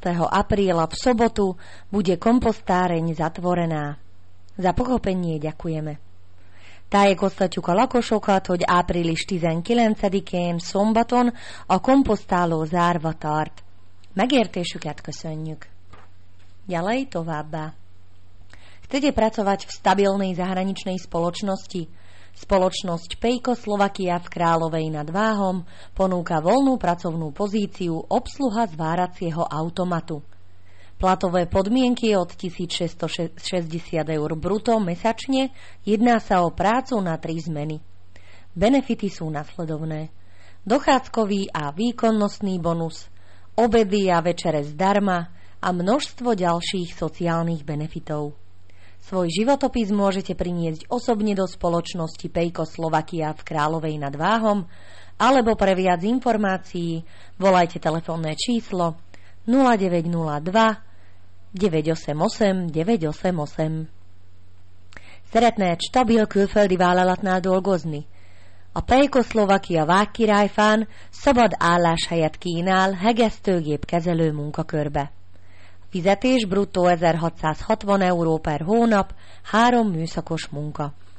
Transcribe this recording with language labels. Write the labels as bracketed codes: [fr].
[sk] apríla v sobotu bude kompostáreň zatvorená. Za pochopenie ďakujeme. [hu] Tájek osztatjuk a lakosokat, hogy április 19-én szombaton a komposztáló zárva tart. Megértésüket köszönjük. [sk] Ďalej továbbá. Chcete pracovať v stabilnej zahraničnej spoločnosti? Spoločnosť Pejko Slovakia v Královej nad Váhom ponúka voľnú pracovnú pozíciu obsluha zváracieho automatu. Platové podmienky od 1660 eur bruto mesačne, jedná sa o prácu na 3 zmeny. Benefity sú nasledovné. Dochádzkový a výkonnostný bonus, obedy a večere zdarma a množstvo ďalších sociálnych benefitov. Svoj životopis môžete priniesť osobne do spoločnosti Pejko Slovakia v Královej nad Váhom alebo pre viac informácií volajte telefónne číslo 0902 988 988. [hu] Szeretné egy stabil külföldi vállalatnál dolgozni? A Pejko Slovakia Vágkirályfán szabad álláshelyet kínál hegesztőgép kezelő munkakörbe. Fizetés bruttó 1660 euró per hónap, 3 műszakos munka.